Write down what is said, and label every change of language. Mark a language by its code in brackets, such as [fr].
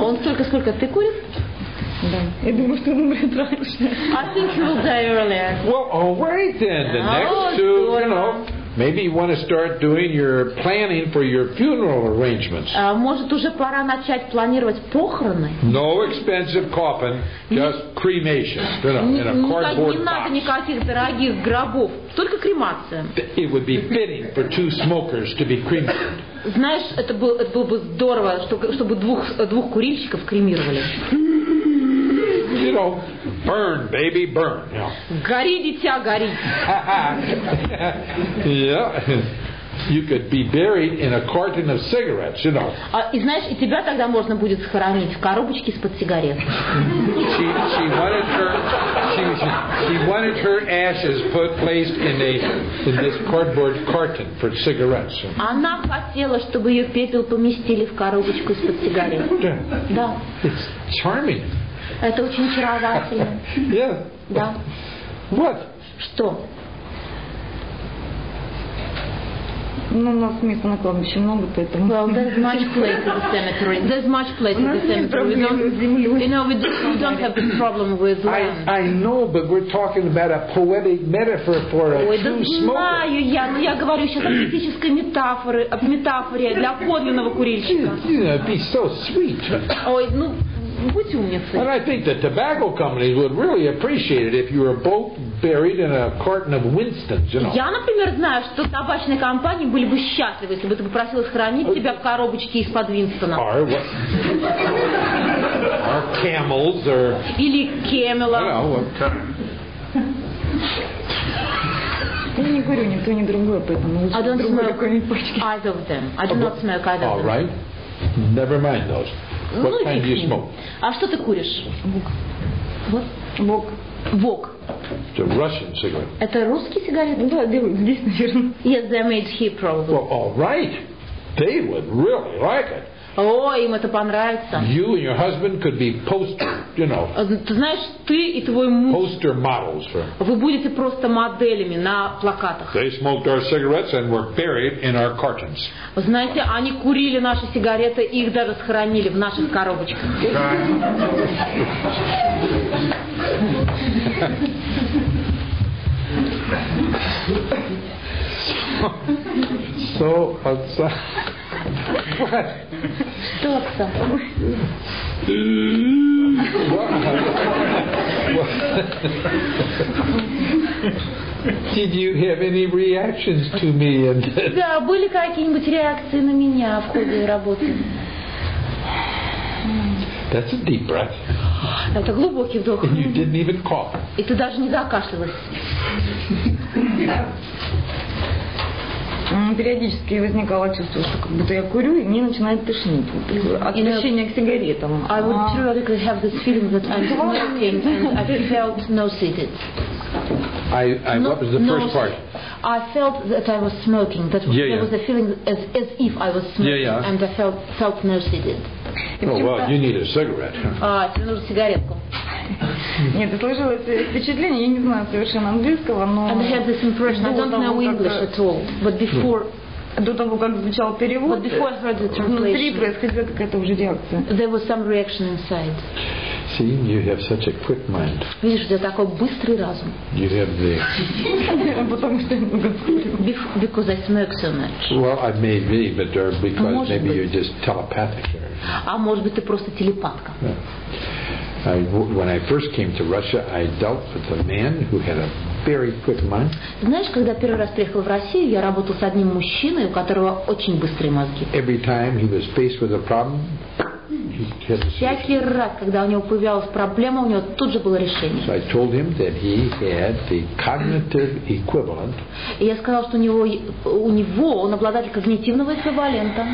[ru] Он столько, сколько ты куришь? Да. Я думаю, что он умрет раньше. [en] I think he will die earlier. Well, all right then. The next two, maybe you want to start doing your planning for your funeral arrangements. [ru] Может, уже пора начать планировать похороны? [en] No expensive coffin, just cremation. [ru] Не надо никаких дорогих гробов, только кремация. [en] It would be fitting for two smokers to be cremated. [ru] Знаешь, это было бы здорово, чтобы двух курильщиков кремировали. [en] You know, burn, baby, burn. [ru] Гори, дитя, гори. [en] Yeah, you could be buried in a carton of cigarettes, you know. [ru] И знаешь, и тебя тогда можно будет схоронить в коробочке из-под сигарет. [en] She wanted her ashes placed in this cardboard carton for cigarettes. [ru] Она хотела, чтобы ее пепел поместили в коробочку из-под сигарет. Да. [en] It's charming. [ru] Это очень очаровательно. [en] Yeah. [ru] Да. [en] What? [ru] Что? Ну, у нас места на кладбище много, поэтому. [en] Well, there's much place in the cemetery. There's much place in the cemetery. We don't, we don't have the problem with land. I know, but we're talking about a poetic metaphor for a true smoker. [ru] Ой, да знаю я, но я говорю сейчас о поэтической метафоре для подлинного курильщика. [en] It'd be so sweet. [ru] Ой, ну. Будь умницей. [en] And I think the tobacco companies would really appreciate it if you were both buried in a carton of Winston's, you know. [ru] Я, например, знаю, что табачные компании были бы счастливы, если бы ты попросил хранить тебя в коробочке из-под Винстона. [en] Or camels, or... [ru] Или Кэмела. Я не курю ни то, ни другое, поэтому... [en] I don't smoke either of them. I do not smoke either of them. All right. Never mind those. What kind do you smoke? [ru] А что ты куришь? Вог. Вог. [en] It's a Russian cigarette. [ru] Это русские сигареты? Да, здесь, наверное. [en] Yes, they're made here probably. Well, all right. They would really like it. [ru] О, им это понравится. [en] You and your husband could be poster, you know. [ru] Ты знаешь, ты и твой муж. [en] Poster models for. [ru] Вы будете просто моделями на плакатах. [en] They smoked our cigarettes and were buried in our cartons. [ru] Вы знаете, они курили наши сигареты и их даже схоронили в наших коробочках. [en] So upset. [ru] Что это? [en] What? Did you have any reactions to me? [ru] Да, были какие-нибудь реакции на меня в ходе работы? [en] That's a deep breath. [ru] Это глубокий вдох. [en] And you didn't even cough. [ru] И ты даже не закашлялась. Периодически возникало чувство, что как будто я курю, и мне начинает тошнить. Отвращение к сигаретам. [en] I would periodically have this feeling that I'm smoking and I felt nauseated. I no, what was the no, first part? I felt that I was smoking. That was, there was a feeling as if I was smoking, and I felt nauseated. Oh well, you need a cigarette. [ru] Тебе нужна сигаретка. Нет, сложилось впечатление. Я не знаю совершенно английского, но. [en] I had this impression. I don't know English at all. But before. [ru] До того, как звучал перевод. [en] But before I heard the translation. [ru] Внутри происходила какая-то уже реакция. [en] There was some reaction inside. See, you have such a quick mind. [ru] Видишь, у тебя такой быстрый разум. [en] You have the. [ru] Потому что я много курю. [en] Because I smoke so much. Well, I may be, but or because [ru] может [en] maybe [ru] быть. [en] You're just telepathic. [ru] А может быть, ты просто телепатка. [en] When I first came to Russia, I dealt with a man who had a very quick mind. [ru] Знаешь, когда первый раз приехал в Россию, я работал с одним мужчиной, у которого очень быстрые мозги. [en] Every time he was faced with a problem. [ru] Всякий раз, когда у него появлялась проблема, у него тут же было решение. [en] So I told him that he had the cognitive equivalent. [ru] И я сказал, что он обладатель когнитивного эквивалента.